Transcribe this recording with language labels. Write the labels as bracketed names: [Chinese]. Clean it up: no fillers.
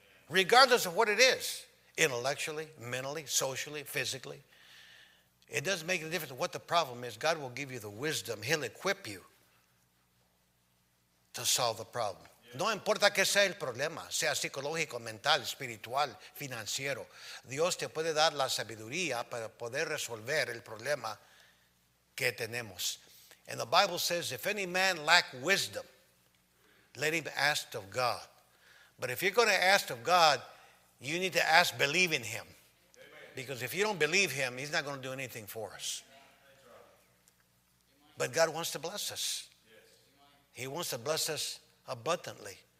[English] Regardless of what it is, intellectually, mentally, socially, physically, it doesn't make a difference what the problem is. God will give you the wisdom. He'll equip you to solve the problem. [Spanish] No importa que sea el problema, sea psicológico, mental, espiritual, financiero. Dios te puede dar la sabiduría para poder resolver el problema que tenemos. [English] And the Bible says, if any man lack wisdom, let him ask of God. But if you're going to ask of God, you need to ask believing him. Because if you don't believe him, he's not going to do anything for us. But God wants to bless us. He wants to bless us abundantly.